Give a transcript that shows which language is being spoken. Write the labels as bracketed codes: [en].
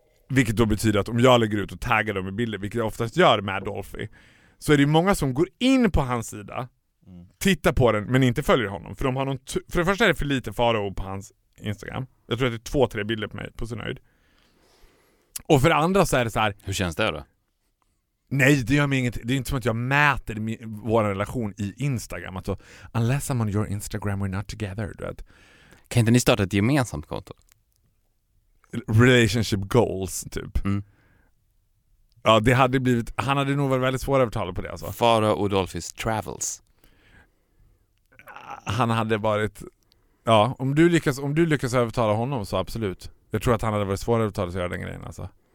[sv] Vilket då betyder att om jag lägger ut och taggar dem i bilder, vilket jag oftast gör med Dolphy, så är det många som går in på hans sida, tittar på den men inte följer honom. För, de har någon för det första är det för lite faro på hans Instagram. Jag tror att det är 2-3 bilder på mig på sin höjd. Och för det andra så är det så här... Hur känns det då? Nej, det gör mig inget. Det är inte som att jag mäter vår relation i Instagram. Alltså, [en] unless I'm on your Instagram, we're not together. [sv] Du vet. Kan inte ni starta ett gemensamt konto? [en] Relationship goals, [sv] typ. Mm. Ja, det hade blivit... Han hade nog varit väldigt svår att övertala på det. Alltså. Fara och Dolphys travels. Han hade varit... Ja, om du lyckas övertala honom så absolut. Jag tror att han hade varit svårare att övertala sig att göra den grejen. Alltså.